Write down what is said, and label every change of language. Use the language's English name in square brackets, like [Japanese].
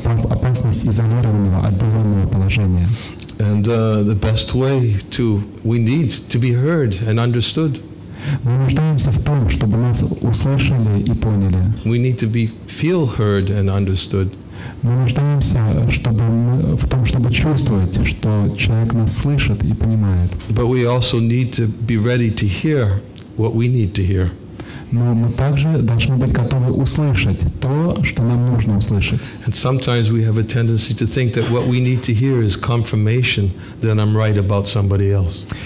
[Russian] Опасность изолированного, отдаленного положения. [English] And the best way to, we need to be heard and understood. [Russian] Мы нуждаемся в том, чтобы нас услышали и поняли. [English] We need to be feel heard and understood. [Russian] Мы нуждаемся в том, чтобы чувствовать, что человек нас слышит и понимает. [English] But we also need to be ready to hear what we need to hear. [Russian] Но мы также должны быть готовы услышать то, что нам нужно услышать. [English] And sometimes we have a tendency to think that what we need to hear is confirmation that I'm right about somebody else.